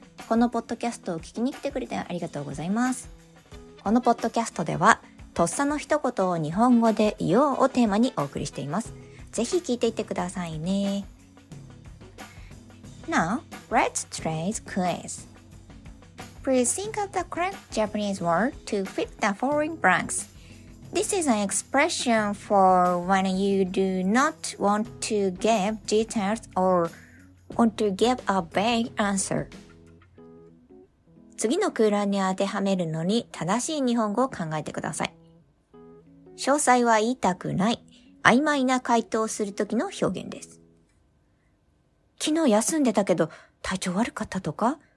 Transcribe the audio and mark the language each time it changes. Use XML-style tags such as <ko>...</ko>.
<ja>このポッドキャストを聞きに来てくれてありがとうございます。このポッドキャストではとっさの一言を日本語で言おうをテーマにお送りしています。ぜひ聞いていってくださいね。</ja> <en>Now, let's try the quiz. Please think of the correct Japanese word to fit the following blanks. This is an expression for when you do not want to give details or want to give a vague answer.</en> <ja>次の空欄に当てはめるのに正しい日本語を考えてください。詳細は言いたくない、曖昧な回答をするときの表現です。昨日休んでたけど、体調悪かったとか？</ja>